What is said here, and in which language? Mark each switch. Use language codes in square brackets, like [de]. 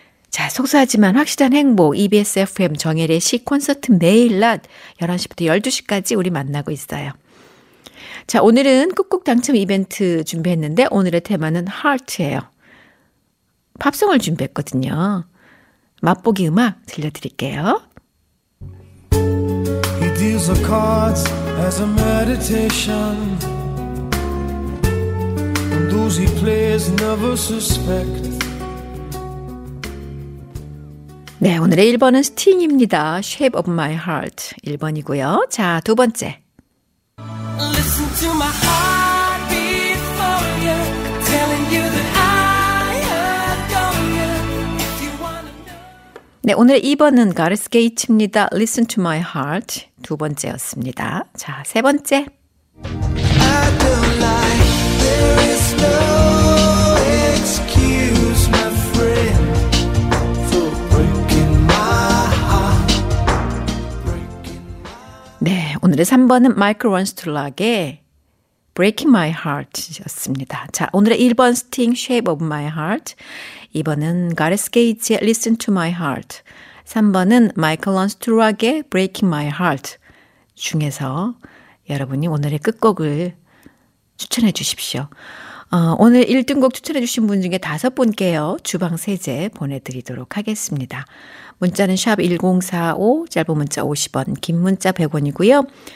[ko] 자, 속수하지만 확실한 행복. EBS FM 정혜리의 시 콘서트 매일 낮 11시부터 12시까지 우리 만나고 있어요. 자, 오늘은 꾹꾹 당첨 이벤트 준비했는데 오늘의 테마는 Heart예요. 팝송을 준비했거든요. 맛보기 음악 들려드릴게요. [en] He deals the cards as a meditation. And those he plays never suspect. [ko] 네, 오늘의 1번은 스팅입니다. Shape of my heart 1번이고요. 자, 두 번째. [en] Listen to my heartbeat for you, telling you that I adore you. If you wanna know. [ko] 네, 오늘 2번은 Gareth Gates입니다. Listen to my heart 두 번째였습니다. 자, 세 번째. [en] I don't lie. There is no excuse, my friend, for breaking my heart. [ko] 네, 오늘의 3번은 Michael Wants to Lock의 Breaking My Heart였습니다. 자, 오늘의 1번 Sting, Shape of My Heart. 2번은 Gareth Gates의 Listen to My Heart. 3번은 Michael Wants to Lock의 Breaking My Heart. 중에서 여러분이 오늘의 끝곡을 추천해 주십시오. 오늘 1등곡 추천해 주신 분 중에 다섯 분께요. 주방 세제 보내드리도록 하겠습니다. 문자는 샵 1045, 짧은 문자 50원, 긴 문자 100원이고요.